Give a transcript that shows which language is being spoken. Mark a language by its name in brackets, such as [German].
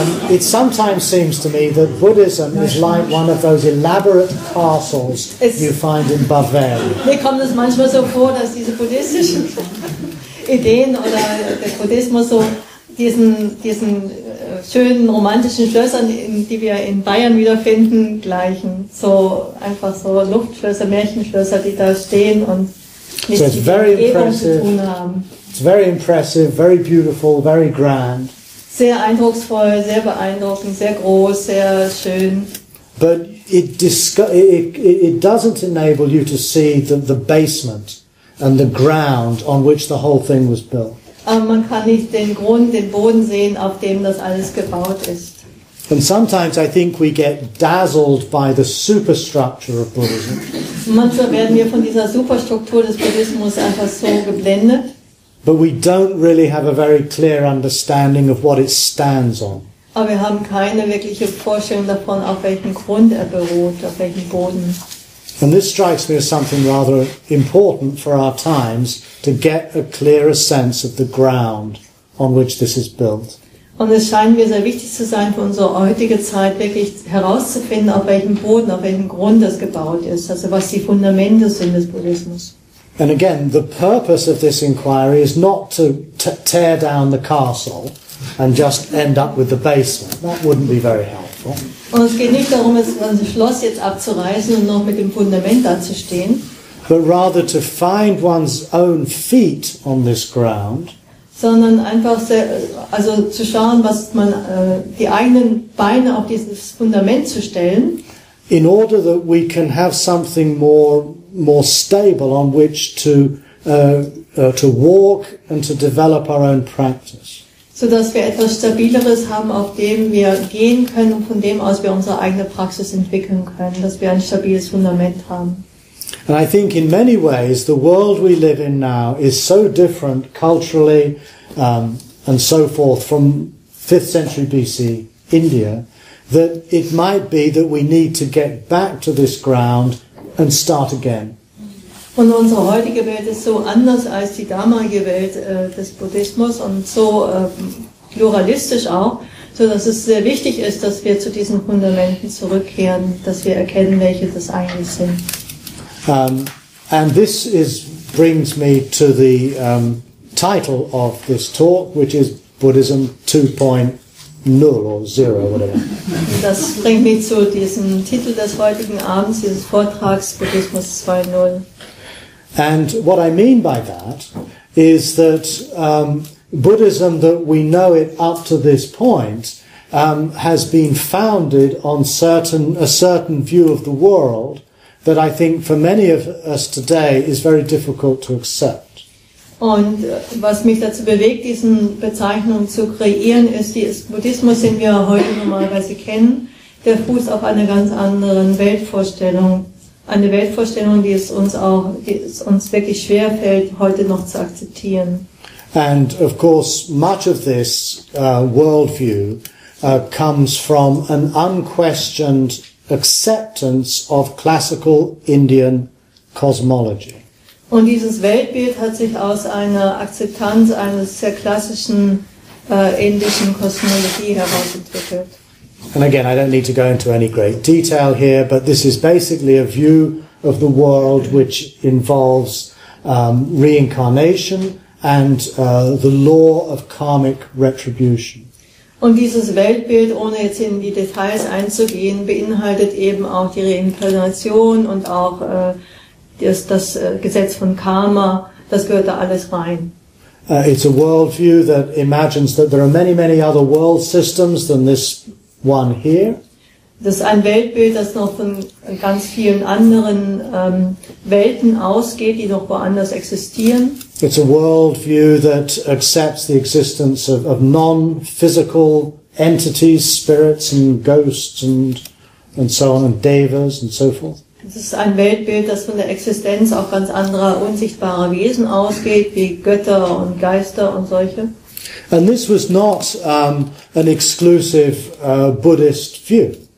[English] It sometimes seems to me that Buddhism is like one of those elaborate castles you find in Bavaria. [German] Mir kommt es manchmal so vor, dass diese buddhistischen Ideen oder der Buddhismus so diesen schönen romantischen Schlössern, die wir in Bayern wiederfinden, gleichen. So einfach so Luftschlösser, Märchenschlösser, die da stehen und nicht mit der Umgebung zu tun haben. [English] It's very impressive, very beautiful, very grand. [German] Sehr eindrucksvoll, sehr beeindruckend, sehr groß, sehr schön. [English] But it doesn't enable you to see the basement and the ground on which the whole thing was built. [German] Man kann nicht den Grund, den Boden sehen, auf dem das alles gebaut ist. [English] And sometimes I think we get dazzled by the superstructure of Buddhism. [German] Manchmal werden wir von dieser Superstruktur des Buddhismus einfach so geblendet. [English] But we don't really have a very clear understanding of what it stands on. [German] Aber wir haben keine wirkliche Vorstellung davon, auf welchem Grund er beruht, auf welchem Boden. [English] And this strikes me as something rather important for our times, to get a clearer sense of the ground on which this is built. [German] Und es scheint mir sehr wichtig zu sein für unsere heutige Zeit, wirklich herauszufinden, auf welchem Boden, auf welchem Grund das gebaut ist, also was die Fundamente sind des Buddhismus. [English] And again, the purpose of this inquiry is not to tear down the castle and just end up with the basement. That wouldn't be very helpful. [German] Und es geht nicht darum, das Schloss jetzt abzureißen und noch mit dem Fundament dazustehen. [English] But rather to find one's own feet on this ground. [German] Sondern einfach sehr, also zu schauen, was man die eigenen Beine auf dieses Fundament zu stellen. [English] In order that we can have something more stable on which to walk and to develop our own practice. [German] So dass wir etwas Stabileres haben, auf dem wir gehen können und von dem aus wir unsere eigene Praxis entwickeln können, dass wir ein stabiles Fundament haben. [English] And I think in many ways the world we live in now is so different culturally and so forth from 5th century BC India that it might be that we need to get back to this ground and start again. [German] Und unsere heutige Welt ist so anders als die damalige Welt des Buddhismus und so pluralistisch auch, so dass es sehr wichtig ist, dass wir zu diesen Fundamenten zurückkehren, dass wir erkennen, welche das eigentlich sind. [English] And this brings me to the title of this talk, which is Buddhism 2.0 or 0, whatever. [German] Das bringt mich zu diesem Titel des heutigen Abends, dieses Vortrags, Buddhismus 2.0. [English] And what I mean by that is that Buddhism, that we know it up to this point, has been founded on a certain view of the world that I think for many of us today is very difficult to accept. [German] Und was mich dazu bewegt, diesen Bezeichnung zu kreieren, ist, dieses Buddhismus, den wir heute normalerweise kennen, der fußt auf einer ganz anderen Weltvorstellung. Eine Weltvorstellung, die es uns wirklich schwer fällt, heute noch zu akzeptieren. [English] And of course, much of this worldview comes from an unquestioned acceptance of classical Indian cosmology. [German] Und dieses Weltbild hat sich aus einer Akzeptanz eines sehr klassischen indischen Kosmologie heraus entwickelt. [English] And again, I don't need to go into any great detail here, but this is basically a view of the world which involves reincarnation and the law of karmic retribution. [German] Und dieses Weltbild, ohne jetzt in die Details einzugehen, beinhaltet eben auch die Reinkarnation und auch das Gesetz von Karma. Das gehört da alles rein. [English] It's a worldview that imagines that there are many, many other world systems than this one here. [German] Das ist ein Weltbild, das noch von ganz vielen anderen Welten ausgeht, die noch woanders existieren. [English] It's a worldview that accepts the existence of non-physical entities, spirits and ghosts and so on, and devas and so forth. [German] Das ist ein Weltbild, das von der Existenz auch ganz anderer unsichtbarer Wesen ausgeht, wie Götter und Geister und solche. [English] And this was not an exclusive Buddhist view.